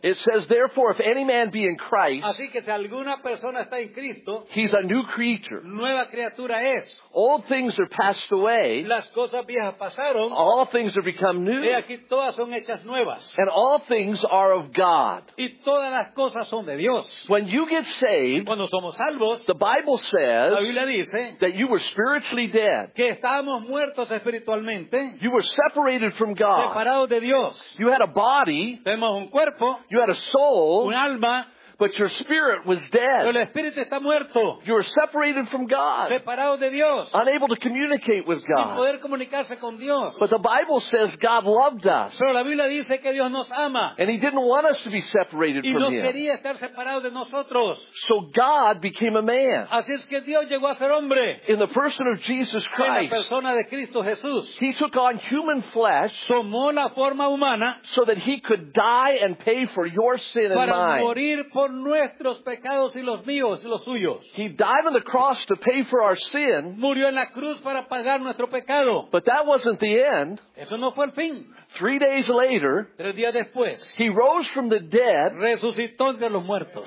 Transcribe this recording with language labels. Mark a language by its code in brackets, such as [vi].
[en] It says, therefore, if any man be in Christ, [es] así que si alguna persona está en Cristo, [en] he's a new creature. [es] Nueva criatura es. [en] Old things are passed away. [es] Las cosas viejas pasaron. [en] All things are become new. [es] Y aquí todas son hechas nuevas. [en] And all things are of God. [es] Y todas las cosas son de Dios. [en] When you get saved, [es] cuando somos salvos, [en] the Bible says [es] la Biblia dice [en] that you were spiritually dead. [es] Que estábamos muertos espiritualmente. [en] You were separated from God. [es] Separados de Dios. [en] You had a body. [es] Tenemos un cuerpo. [en] You had a soul. [es] Un alma. [en] But your spirit was dead. [es] Pero el espíritu está muerto. [en] You were separated from God. [es] Separado de Dios. [en] Unable to communicate with God. [es] Sin poder comunicarse con Dios. [en] But the Bible says God loved us. [es] Pero la Biblia dice que Dios nos ama. [en] And he didn't want us to be separated [es] y [en] from [es] no [en] him. [es] Quería estar separado de nosotros. [en] So God became a man. [es] Así es que Dios llegó a ser hombre. [en] In the person of Jesus Christ. [es] En la persona de Cristo Jesús. [en] He took on human flesh. [es] Tomó la forma humana. [en] So that he could die and pay for your sin [es] para [en] and mine. [es] Morir por nuestros pecados y los míos y los suyos. [en] He died on the cross to pay for our sin. [es] Murió en la cruz para pagar nuestro pecado. [en] But that wasn't the end. [es] Eso no fue el fin. [en] 3 days later, [es] 3 días después, [en] he rose from the dead, [es] resucitó de los muertos,